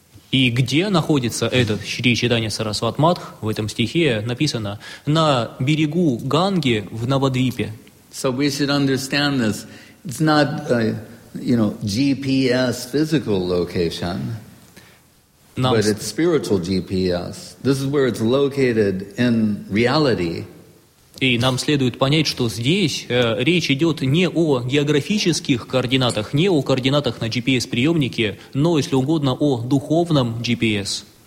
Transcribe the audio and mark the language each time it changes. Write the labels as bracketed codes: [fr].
[ru] И где находится этот Шри Чайтанья Сарасват Матх? В этом стихе написано на берегу Ганги в Навадвипе. [en] So we should understand this. It's not, GPS physical location, but it's spiritual GPS. This is where it's located in reality. [ru] И нам следует понять, что здесь речь идет не о географических координатах, не о координатах на GPS-приемнике, но, если угодно, о духовном GPS.